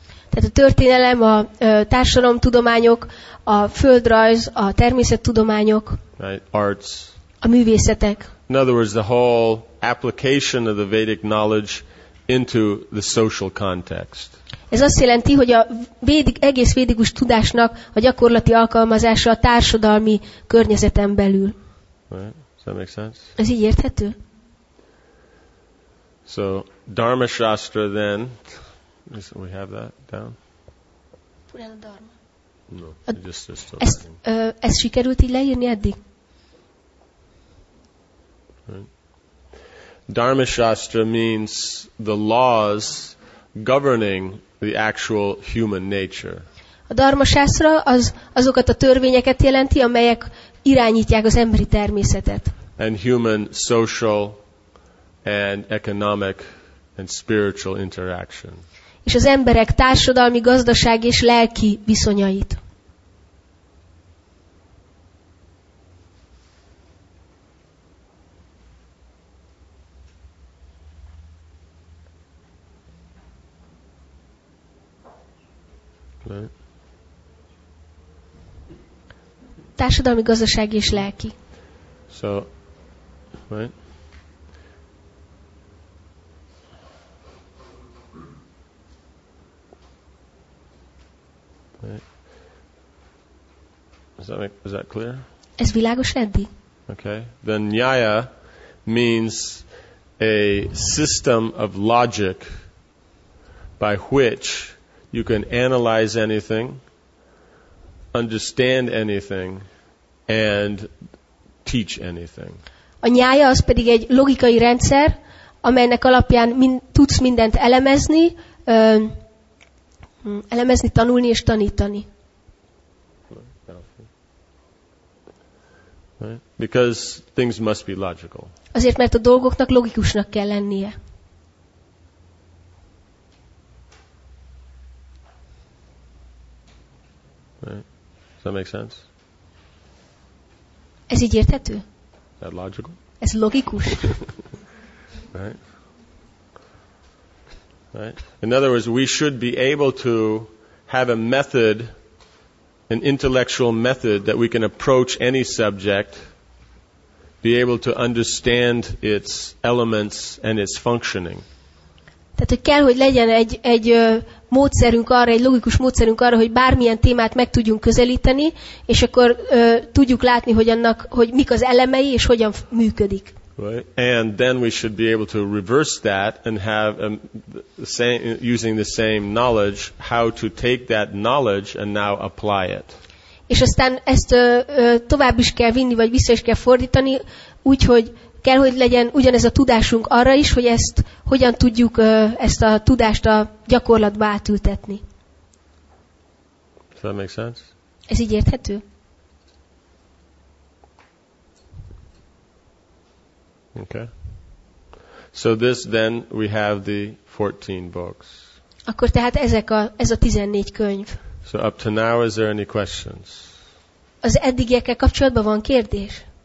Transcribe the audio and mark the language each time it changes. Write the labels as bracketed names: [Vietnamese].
[Hungarian] Tehát a történelem, a társadalomtudományok, a földrajz, a természettudományok. [English] Right, arts. [Hungarian] A művészetek. [English] In other words, the whole application of the Vedic knowledge into the social context. [Hungarian] Ez azt jelenti, hogy a egész védikus tudásnak a gyakorlati alkalmazása a társadalmi környezeten belül. [English] Right. Does that make sense? [Hungarian] Ez így érthető? [English] So, Dharma Shastra then, we have that down? Purana Dharma. No, just [Hungarian] ezt sikerült így leírni eddig? [English] Right. Dharmashastra means the laws governing the actual human nature. [Hungarian] A dharmashastra azokat a törvényeket jelenti, amelyek irányítják az emberi természetet. [English] And human social and economic and spiritual interaction. [Hungarian] És az emberek társadalmi, gazdasági és lelki viszonyait. [English] Right. [Hungarian] Társadalmi, gazdasági és lelki. [English] So, right. Right. Is that clear? [Hungarian] Ez világos eddig? [English] Okay. Then Nyaya means a system of logic by which you can analyze anything, understand anything, and teach anything. [Hungarian] A nyája az pedig egy logikai rendszer, amelynek alapján tudsz mindent elemezni, elemezni, tanulni és tanítani. [English] Because things must be logical. [Hungarian] Azért, mert a dolgoknak logikusnak kell lennie. [English] Right. Does that make sense? [Hungarian] Ez így érthető? [English] Is that logical? [Hungarian] Ez logikus. [English] Right. Right. In other words, we should be able to have a method, an intellectual method that we can approach any subject, be able to understand its elements and its functioning. [Hungarian] Tehát, hogy kell, hogy legyen egy módszerünk arra, egy logikus módszerünk arra, hogy bármilyen témát meg tudjunk közelíteni, és akkor tudjuk látni, hogy annak, hogy mik az elemei, és hogyan működik. [English] Right. And then we should be able to reverse that and have using the same knowledge, how to take that knowledge and now apply it. [Hungarian] És aztán ezt tovább is kell vinni, vagy vissza is kell fordítani, úgyhogy kell, hogy legyen ugyanez a tudásunk arra is, hogy ezt hogyan tudjuk ezt a tudást a gyakorlatba átültetni. [English] Does that make sense? [Hungarian] Ez így érthető? [English] Okay. So this then we have the 14 books. [Hungarian] Akkor tehát ez a 14 könyv. [English] So up to now, is there any questions? [Hungarian] Az eddigiekkel kapcsolatban van kérdés?